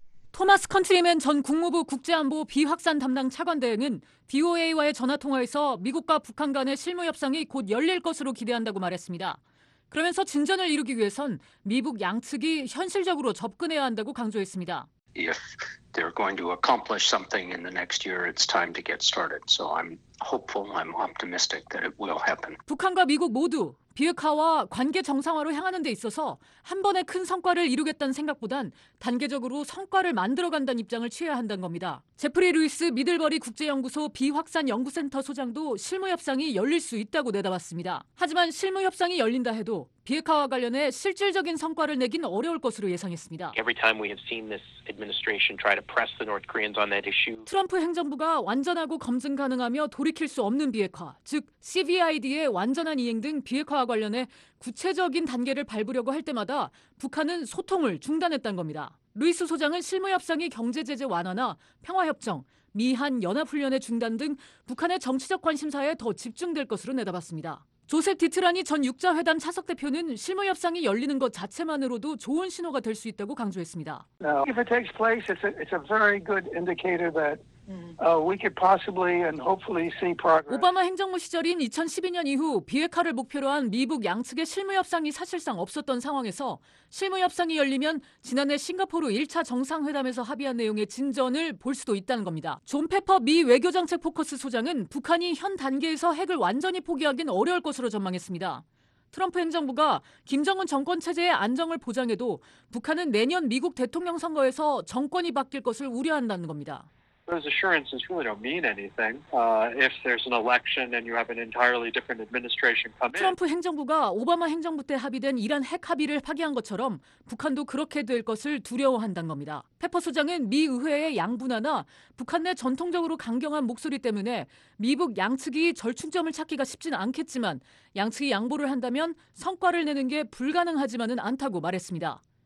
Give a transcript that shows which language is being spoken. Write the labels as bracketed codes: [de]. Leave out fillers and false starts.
[ko] 토마스 컨트리맨 전 국무부 국제안보 비확산 담당 차관대행은 DOA와의 전화통화에서 미국과 북한 간의 실무협상이 곧 열릴 것으로 기대한다고 말했습니다. 그러면서 진전을 이루기 위해선 미북 양측이 현실적으로 접근해야 한다고 강조했습니다. [en] If they're going to accomplish something in the next year, it's time to get started. So I'm hopeful, I'm optimistic that it will happen. [ko] 북한과 미국 모두 비핵화와 관계 정상화로 향하는 데 있어서 한 번에 큰 성과를 이루겠다는 생각보단 단계적으로 성과를 만들어간다는 입장을 취해야 한다는 겁니다. 제프리 루이스 미들버리 국제연구소 비확산연구센터 소장도 실무협상이 열릴 수 있다고 내다봤습니다. 하지만 실무협상이 열린다 해도 비핵화와 관련해 실질적인 성과를 내긴 어려울 것으로 예상했습니다. 트럼프 행정부가 완전하고 검증 가능하며 돌이킬 수 없는 비핵화, 즉 CVID의 완전한 이행 등 비핵화와 관련해 구체적인 단계를 밟으려고 할 때마다 북한은 소통을 중단했다는 겁니다. 루이스 소장은 실무협상이 경제제재 완화나 평화협정, 미한 연합훈련의 중단 등 북한의 정치적 관심사에 더 집중될 것으로 내다봤습니다. 조셉 디트라니 전 6자회담 차석 대표는 실무협상이 열리는 것 자체만으로도 좋은 신호가 될 수 있다고 강조했습니다. [en] Now, if it takes place, it's a very good indicator that we could possibly and hopefully see progress. [ko] 오바마 행정부 시절인 2012년 이후 비핵화를 목표로 한 미북 양측의 실무협상이 사실상 없었던 상황에서 실무협상이 열리면 지난해 싱가포르 1차 정상회담에서 합의한 내용의 진전을 볼 수도 있다는 겁니다. 존 페퍼 미 외교정책 포커스 소장은 북한이 현 단계에서 핵을 완전히 포기하긴 어려울 것으로 전망했습니다. 트럼프 행정부가 김정은 정권 체제의 안정을 보장해도 북한은 내년 미국 대통령 선거에서 정권이 바뀔 것을 우려한다는 겁니다. [en] Those assurances really don't mean anything. If there's an election and you have an entirely different administration come in. [ko] 트럼프 행정부가 오바마 행정부 때 합의된 이란 핵 합의를 파기한 것처럼 북한도 그렇게 될 것을 두려워한다는 겁니다. 페퍼 소장은 미 의회의 양분화나 북한 내 전통적으로 강경한 목소리 때문에 미북 양측이 절충점을 찾기가 쉽진 않겠지만 양측이 양보를 한다면 성과를 내는 게 불가능하지만은 않다고 말했습니다.